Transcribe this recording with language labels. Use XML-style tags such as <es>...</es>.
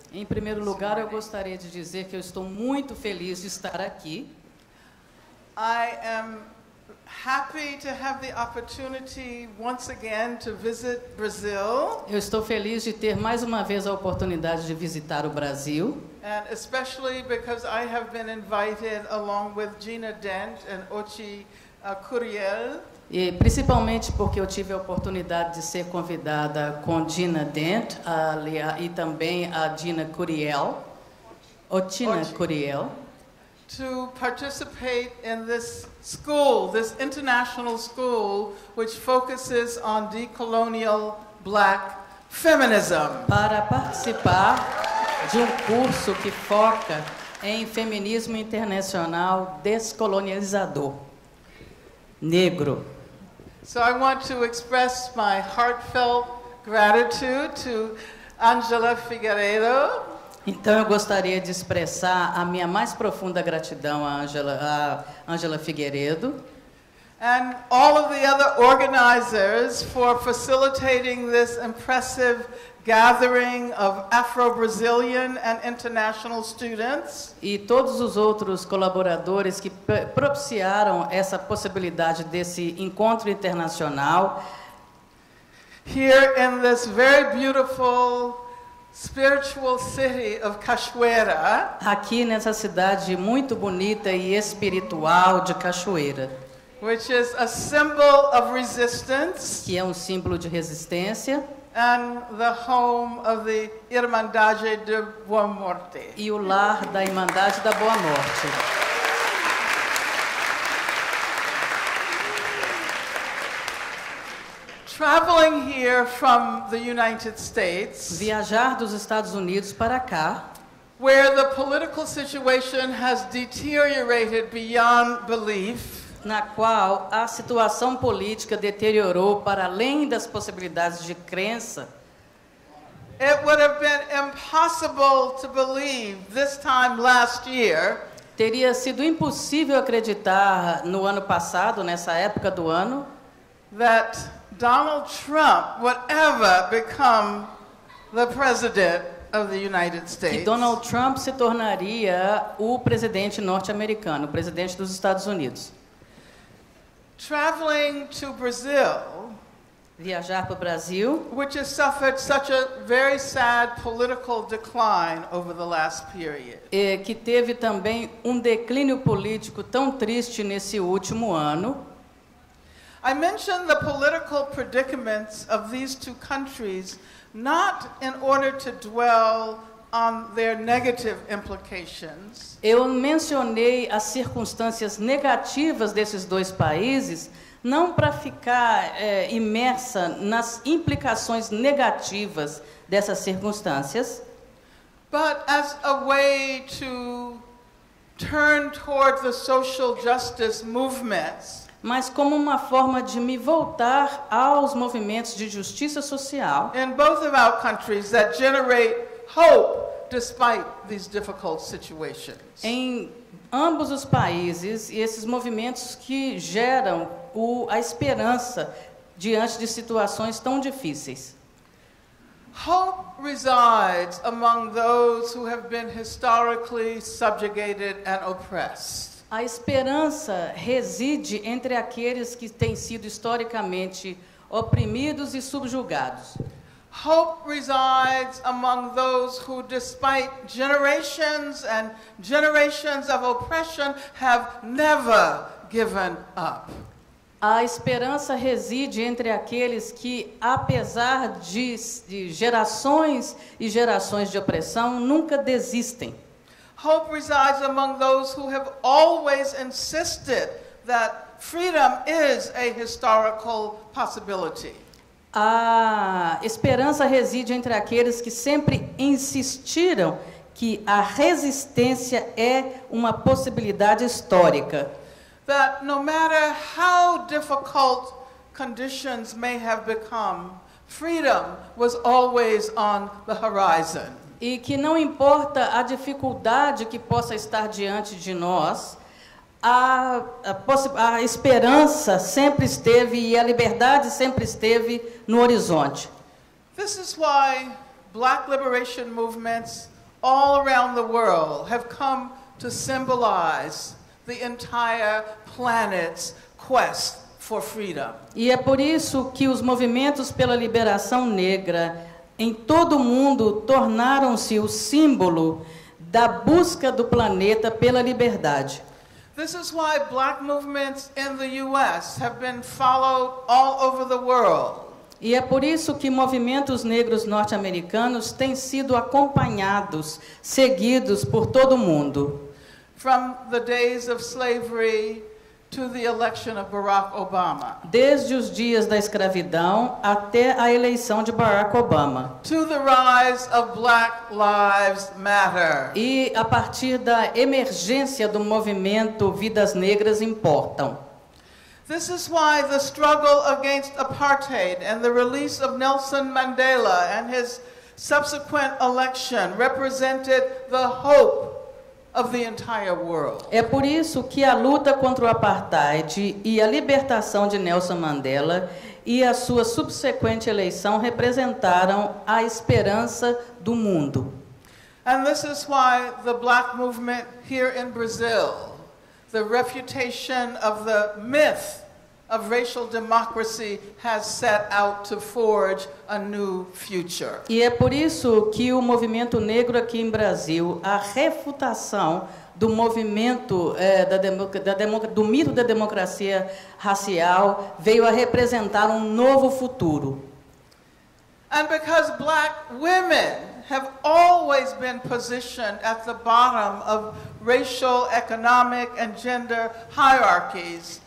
<pt>Em primeiro lugar, eu gostaria de dizer que eu estou muito feliz de estar aqui.</pt> <en>I am happy to have the opportunity once again to visit Brazil.</en> <pt>Eu estou feliz de ter mais uma vez a oportunidade de visitar o Brasil.</pt> <en>And especially because I have been invited along with Gina Dent and Ochi Curiel.</en> <pt>E principalmente porque eu tive a oportunidade de ser convidada com Gina Dent e também a Gina Curiel, Otina Curiel,</pt> <en>to participate in this school, this international school, which focuses on decolonial black feminism.</en> <pt>Para participar de um curso que foca em feminismo internacional descolonizador negro.</pt> <en>So I want to express my heartfelt gratitude to Angela Figueiredo.</en> <pt>Então eu gostaria de expressar a minha mais profunda gratidão a Angela Figueiredo.</pt> <en>And all of the other organizers for facilitating this impressive gathering of Afro-Brazilian and international students.</en> <pt>E todos os outros colaboradores que propiciaram essa possibilidade desse encontro internacional.</pt> <en>Here in this very beautiful spiritual city of Cachoeira.</en> <pt>Aqui nessa cidade muito bonita e espiritual de Cachoeira.</pt> <en>Which is a symbol of resistance.</en> <pt>Que é um símbolo de resistência.</pt> <en>And the home of the Irmandade de Boa Morte.</en> <pt>E o lar da Irmandade da Boa Morte.</pt> <en>Traveling here from the United States.</en> <pt>Viajar dos Estados Unidos para cá.</pt> <en>Where the political situation has deteriorated beyond belief.</en> <pt>Na qual a situação política deteriorou para além das possibilidades de crença.</pt> <en>It would have been impossible to believe this time last year.</en> <pt>Teria sido impossível acreditar no ano passado, nessa época do ano,</pt> <en>that Donald Trump would ever become the president of the United States.</en> <pt>Que Donald Trump se tornaria o presidente norte-americano, o presidente dos Estados Unidos.</pt> <en>Traveling to Brazil,</en> <pt>viajar para o Brasil,</pt> <en>which has suffered such a very sad political decline over the last period,</en> <pt>que teve também um declínio político tão triste nesse último ano,</pt> <en>I mention the political predicaments of these two countries not in order to dwell on their negative implications.</en> <pt>Eu mencionei as circunstâncias negativas desses dois países não para ficar imersa nas implicações negativas dessas circunstâncias,</pt> <en>but as a way to turn toward the social justice movements.</en> <pt>Mas como uma forma de me voltar aos movimentos de justiça social.</pt> <en>In both of our countries that generate hope despite these difficult situations.</en> <pt>Em ambos os países e esses movimentos que geram a esperança diante de situações tão difíceis.</pt> <en>Hope resides among those who have been historically subjugated and oppressed.</en> <pt>A esperança reside entre aqueles que têm sido historicamente oprimidos e subjugados.</pt> <en>Hope resides among those who, despite generations and generations of oppression, have never given up.</en> <pt>A esperança reside entre aqueles que, apesar de gerações e gerações de opressão, nunca desistem.</pt> <en>Hope resides among those who have always insisted that freedom is a historical possibility.</en> <pt>A esperança reside entre aqueles que sempre insistiram que a resistência é uma possibilidade histórica.</pt> <en>That no matter how difficult conditions may have become, freedom was always on the horizon.</en> <pt>E que não importa a dificuldade que possa estar diante de nós, a esperança sempre esteve e a liberdade sempre esteve no horizonte.</pt> <en>This is why Black liberation movements all around the world have come to symbolize the entire planet's quest for freedom.</en> <pt>E é por isso que os movimentos pela liberação negra em todo o mundo tornaram-se o símbolo da busca do planeta pela liberdade.</pt> <en>This is why black movements in the US have been followed all over the world.</en> <pt>E é por isso que movimentos negros norte-americanos têm sido acompanhados, seguidos por todo o mundo.</pt> <en>From the days of slavery to the election of Barack Obama.</en> <pt>Desde os dias da escravidão até a eleição de Barack Obama.</pt> <en>To the rise of Black Lives Matter.</en> <pt>E a partir da emergência do movimento Vidas Negras Importam.</pt> <en>This is why the struggle against apartheid and the release of Nelson Mandela and his subsequent election represented the hope of the entire world.</en> <pt>É por isso que a luta contra o apartheid e a libertação de Nelson Mandela e a sua subsequente eleição representaram a esperança do mundo.</pt> <en>And this is why the black movement here in Brazil, the refutation of the myth of racial democracy has set out to forge a new future.</en> <pt>E é por isso que o movimento negro aqui em Brasil, a refutação do movimento do mito da democracia racial, veio a representar um novo futuro.</pt> <en>And because black women have always been positioned at the bottom of racial, economic and gender hierarchies.</en>